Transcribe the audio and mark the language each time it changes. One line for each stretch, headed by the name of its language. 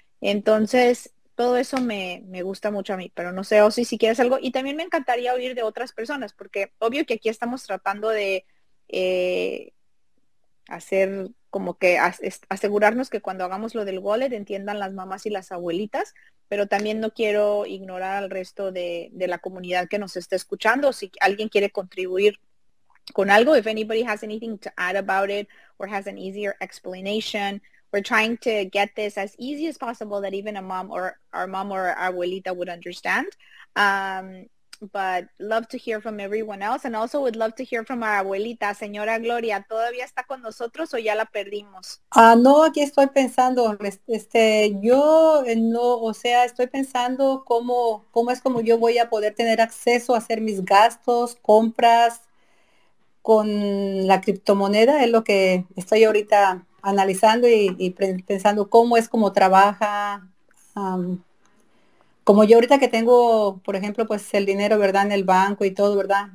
Spanish: Entonces, todo eso me gusta mucho a mí, pero no sé, o si quieres algo, y también me encantaría oír de otras personas, porque obvio que aquí estamos tratando de hacer como que asegurarnos que cuando hagamos lo del wallet entiendan las mamás y las abuelitas, pero también no quiero ignorar al resto de la comunidad que nos está escuchando. Si alguien quiere contribuir con algo,
English: if anybody has anything to add about it or has an easier explanation, we're trying to get this as easy as possible that even a mom or our mom or our abuelita would understand. But love to hear from everyone else, and also would love to hear from our abuelita, señora Gloria.
Spanish: ¿Todavía está con nosotros o ya la perdimos? Ah, no, aquí estoy pensando, yo no, o sea, estoy pensando cómo es como yo voy a poder tener acceso a hacer mis gastos, compras con la criptomoneda, es lo que estoy ahorita analizando y pensando cómo es como trabaja, como yo ahorita que tengo, por ejemplo, pues el dinero, ¿verdad? En el banco y todo, ¿verdad?